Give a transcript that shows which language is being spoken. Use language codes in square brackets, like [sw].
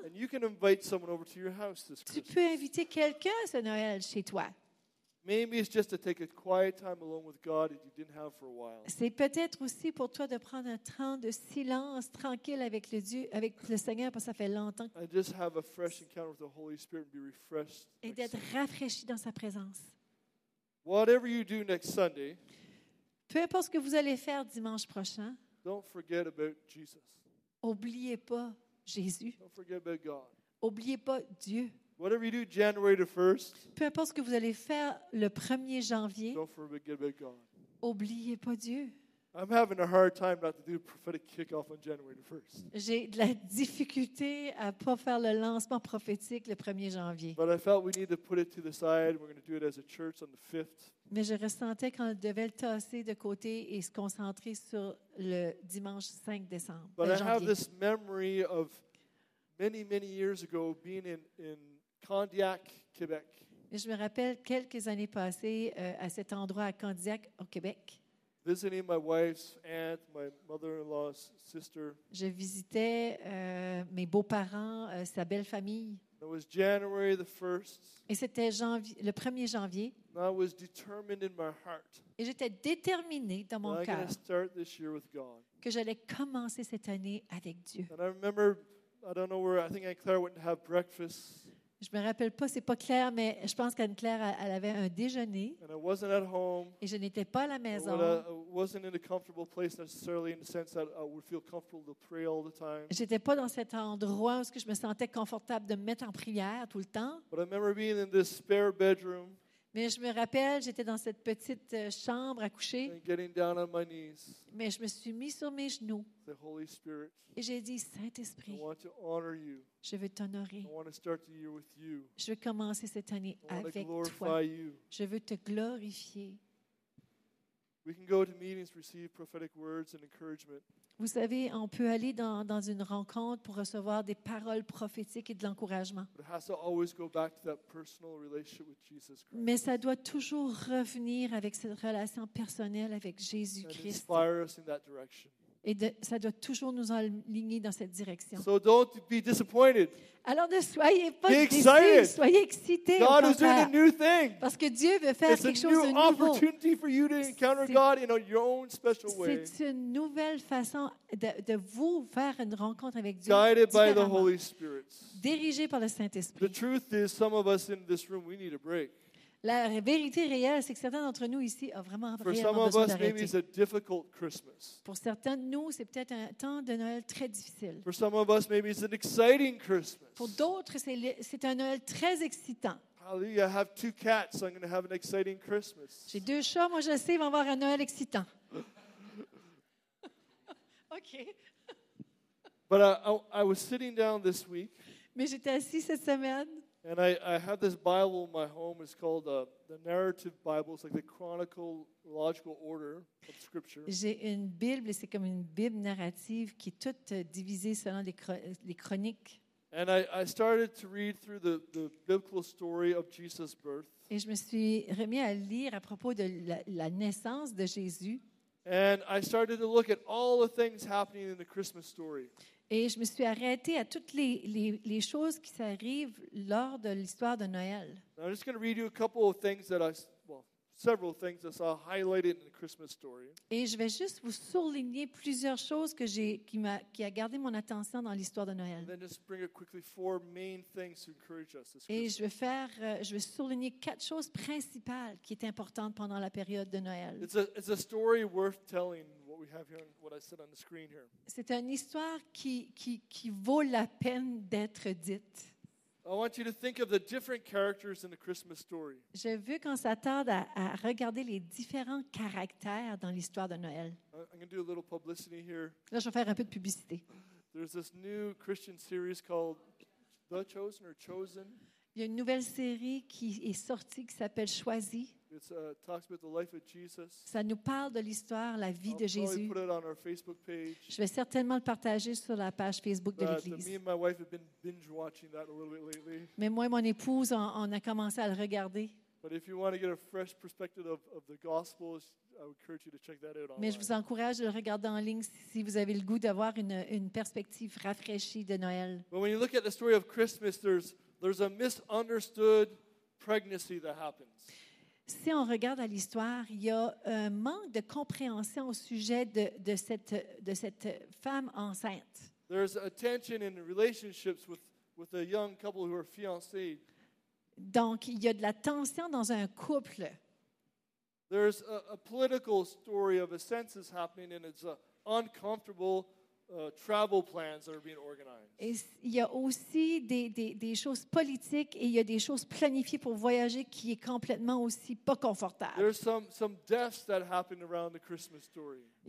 [en] And you can invite someone over to your house this Christmas. [fr] Tu peux inviter quelqu'un ce Noël chez toi. [en] Maybe it's just to take a quiet time alone with God that you didn't have for a while. [fr] C'est peut-être aussi pour toi de prendre un temps de silence tranquille avec le Dieu, avec le Seigneur, parce que ça fait longtemps. [en] And just have a fresh encounter with the Holy Spirit and be refreshed. [fr] Et d'être rafraîchi dans sa présence. [en] Whatever you do next Sunday, [fr] peu importe ce que vous allez faire dimanche prochain. [en] Don't forget about Jesus. [fr] Oubliez pas Jésus. [en] Don't forget about God. [fr] Oubliez pas Dieu. [en] Whatever you do January the 1st. [fr] Peu importe ce que vous allez faire le 1er janvier. [en] Don't forget about God. [fr] Oubliez pas Dieu. [en] I'm having a hard time not to do a prophetic kickoff on January the 1st. [fr] J'ai de la difficulté à pas faire le lancement prophétique le 1er janvier. [en] But I felt we need to put it to the side. We're going to do it as a church on the 5th. [fr] Mais je ressentais qu'on devait le tasser de côté et se concentrer sur le dimanche 5 décembre. [en] But [fr] janvier. [en] I have this memory of many, many years ago being in Candiac, Québec. [fr] Et je me rappelle quelques années passées à cet endroit à Candiac, au Québec. [en] Visiting my wife's aunt, my mother-in-law's sister. [fr] Je visitais mes beaux-parents, sa belle-famille. [en] It was January the 1st. [fr] Et c'était le 1er janvier. [en] I was determined in my heart. [fr] Et j'étais déterminée dans mon cœur. [en] I'm going to start this year with God. [fr] Que j'allais commencer cette année avec Dieu. [en] And I remember, I don't know where, I think Aunt Claire went to have breakfast. [fr] Je me rappelle pas, c'est pas clair, mais je pense qu'Anne Claire, elle avait un déjeuner. [en] And I wasn't at home. [fr] Et je n'étais pas à la maison. [en] I wasn't in a comfortable place necessarily in the sense that I would feel comfortable to pray all the time. [fr] J'étais pas dans cet endroit où je me sentais confortable de me mettre en prière tout le temps. [en] But I remember being in this spare bedroom. [fr] Mais je me rappelle, j'étais dans cette petite chambre à coucher. [en] And getting down on my knees. [fr] Mais je me suis mis sur mes genoux. [en] The Holy Spirit. [fr] Et j'ai dit, Saint-Esprit, [en] I want to honor you. [fr] Je veux t'honorer. [en] I want to start the year with you. [fr] Je veux commencer cette année [en] I want [fr] avec [en] to glorify [fr] toi. [en] You. [fr] Je veux te glorifier. [en] We can go to meetings, receive prophetic words and encouragement. [fr] Vous savez, on peut aller dans une rencontre pour recevoir des paroles prophétiques et de l'encouragement. [en] But it has to always go back to that personal relationship with Jesus Christ. [fr] Mais ça doit toujours revenir avec cette relation personnelle avec Jésus-Christ. [en] And inspire us in that direction. [fr] Et ça doit toujours nous aligner dans cette direction. [en] So don't be disappointed. [fr] Alors ne soyez pas déçus, soyez excités. [en] God is doing a new thing. [fr] Parce que Dieu veut faire quelque chose de nouveau. [en] It's a new opportunity for you to encounter God in your own special way. [fr] C'est une nouvelle façon de vous faire une rencontre avec Dieu. [en] Guided by the Holy Spirit. [fr] Dirigé par le Saint-Esprit. [en] The truth is, some of us in this room, we need a break. [fr] La vérité réelle, c'est que certains d'entre nous ici ont vraiment [en] For [fr] réellement besoin [en] us, [fr] d'arrêter. [en] Maybe it's a difficult Christmas. [fr] Pour certains de nous, c'est peut-être un temps de Noël très difficile. [en] For some of us, maybe it's an exciting Christmas. [fr] Pour d'autres, c'est un Noël très excitant. [en] Hallelujah, I have two cats, so I'm going to have an exciting Christmas. [fr] J'ai deux chats, moi je sais, ils vont avoir un Noël excitant. [en] OK. But I was sitting down this week. [fr] Mais j'étais assis cette semaine. [en] And I have this Bible in my home. It's called the Narrative Bible. It's like the chronological order of Scripture. [fr] J'ai une Bible, c'est comme une Bible narrative qui est toute divisée selon les chroniques. [en] And I started to read through the biblical story of Jesus' birth. [fr] Et je me suis remis à lire à propos de la naissance de Jésus. [en] And I started to look at all the things happening in the Christmas story. [fr] Et je me suis arrêtée à toutes les choses qui s'arrivent lors de l'histoire de Noël. [en] I'm just going to read you a couple of things that I, well, several things that I saw highlighted in the Christmas story. [fr] Et je vais juste vous souligner plusieurs choses que qui a gardé mon attention dans l'histoire de Noël. [en] And then just bring up quickly four main things to encourage us this Christmas. [fr] Et je vais souligner quatre choses principales qui étaient importantes pendant la période de Noël. [en] It's a story worth telling. We have here what I said on the screen here. [fr] C'est une histoire qui vaut la peine d'être dite. [en] I want you to think of the different characters in the Christmas story. [fr] Je veux qu'on s'attarde à regarder les différents caractères dans l'histoire de Noël. [en] I'm going to do a little publicity here. [fr] Là, je vais faire un peu de publicité. [en] There's this new Christian series called The Chosen or Chosen. [fr] Il y a une nouvelle série qui est sortie qui s'appelle Choisi. [en] Talks about the life of Jesus. [fr] Ça nous parle de l'histoire, la vie [en] I'll [fr] de Jésus. [en] Probably put it on our Facebook page. [fr] Je vais certainement le partager sur la page Facebook de l'Église. [en] Me and my wife have been binge watching that a little bit lately. [fr] Mais moi et mon épouse, on a commencé à le regarder. [en] But if you want to get a fresh perspective of the Gospels, I would encourage you to check that out online. [fr] Mais je vous encourage de le regarder en ligne si vous avez le goût d'avoir une perspective rafraîchie de Noël. [en] But when you look at the story of Christmas, there's a misunderstood pregnancy that happens. [fr] Si on regarde à l'histoire, il y a un manque de compréhension au sujet de cette femme enceinte. [en] There's a tension in the relationships with a young couple who are fiancés. [fr] Donc, il y a de la tension dans un couple. [en] There's a political story of a census happening, and it's uncomfortable. Travel plans that are being organized. [fr] Et il y a aussi des choses politiques et il y a des choses planifiées pour voyager qui est complètement aussi pas confortable. [en] There's some deaths that happen around the Christmas story.